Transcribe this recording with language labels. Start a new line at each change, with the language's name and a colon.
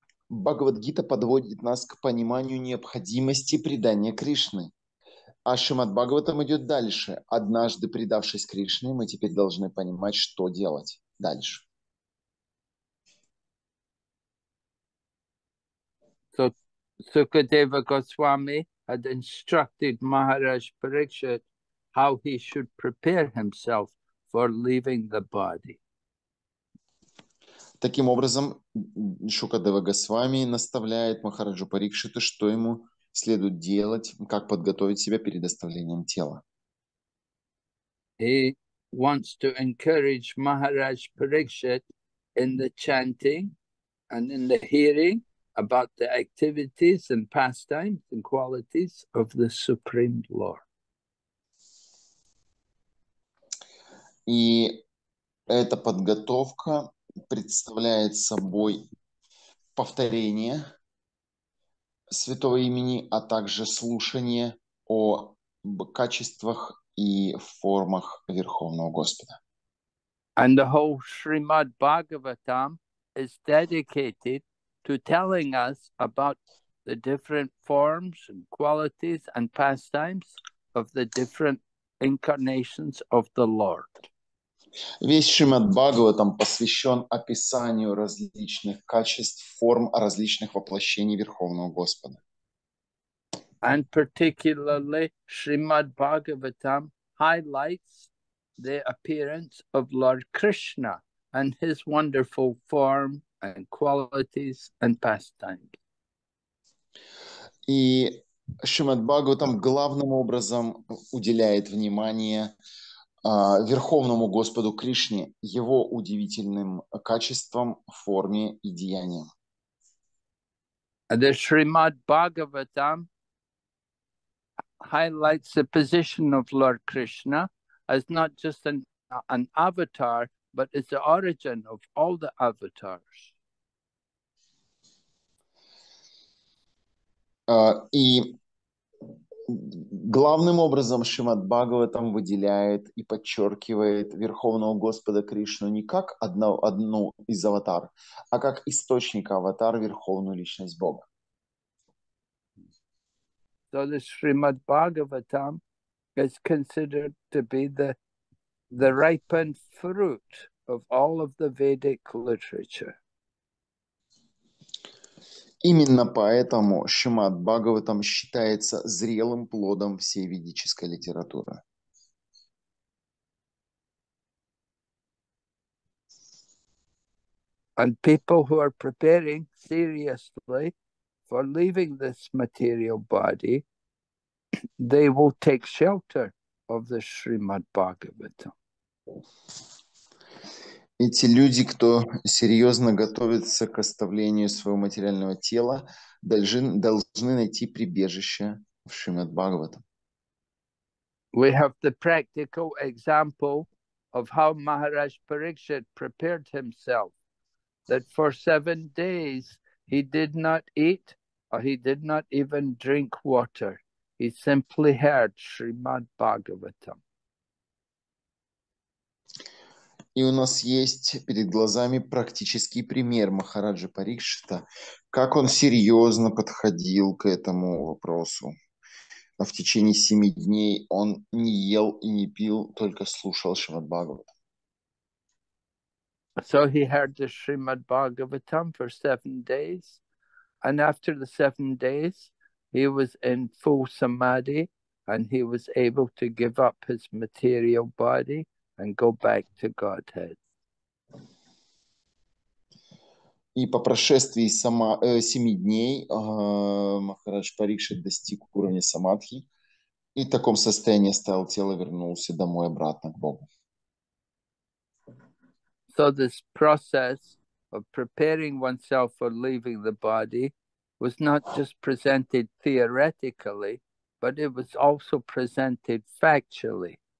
Russian: Бхагавад-гита подводит нас к пониманию необходимости предания Кришны. А Шримад-Бхагаватам идет дальше. Однажды предавшись Кришне, мы теперь должны понимать, что делать дальше.
English: So, Sukadeva Goswami had instructed Maharaj Parikshit how he should prepare himself for leaving the body.
Russian: Таким образом, Шукадева Госвами наставляет Махараджу Парикшиту, что ему следует делать, как подготовить себя перед оставлением тела.
English: He wants to encourage Maharaj Parikshit in the chanting and in the hearing about the activities and pastimes and qualities of the Supreme Lord.
Russian: И эта подготовка представляет собой повторение святого имени, а также слушание о качествах и формах Верховного Господа.
English: And the whole Srimad Bhagavatam is dedicated to telling us about the different forms and qualities and pastimes of the different incarnations of the Lord.
Russian: Весь Шримад Бхагаватам посвящен описанию различных качеств, форм различных воплощений Верховного Господа.
English: And particularly, Shrimad Bhagavatam highlights the appearance of Lord Krishna and his wonderful form and qualities and pastimes.
Russian: И Шримад Бхагаватам главным образом уделяет внимание Верховному Господу Кришне, его удивительным качествам, форме и деяниям.
English: The Srimad Bhagavatam highlights the position of Lord Krishna as not just an avatar, but as the origin of all the avatars.
Russian: И главным образом Шримад Бхагаватам выделяет и подчеркивает Верховного Господа Кришну не как одну из аватар, а как источник аватар, Верховную Личность Бога.
English: So the Srimad Bhagavatam is considered to be the ripened fruit of all of the Vedic literature.
Russian: Именно поэтому Шримад Бхагаватам считается зрелым плодом всей ведической литературы.
English: And people who are preparing seriously for leaving this material body, they will take shelter of the Srimad Bhagavatam.
Russian: Эти люди, кто серьезно готовится к оставлению своего материального тела, должны найти прибежище в Шримад Бхагаватам.
English: We have the practical example of how Maharaj Parikshit prepared himself, that for 7 days he did not eat or he did not even drink water. He simply heard Srimad Bhagavatam.
Russian: И у нас есть перед глазами практический пример Махараджа Парикшита, как он серьезно подходил к этому вопросу. А в течение 7 дней он не ел и не пил, только слушал Шримад Бхагаватам.
English: So he heard the Srimad Bhagavatam for 7 days, and after the 7 days, he was in full samadhi, and he was able to give up his material body and go back to Godhead.
Russian: И по прошествии 7 дней Махарадж Парикшит достиг уровня самадхи. И в таком состоянии стал тело, вернулся домой обратно к Богу.
English: So this process of preparing oneself for leaving the body was not just presented theoretically, but it was also presented factually.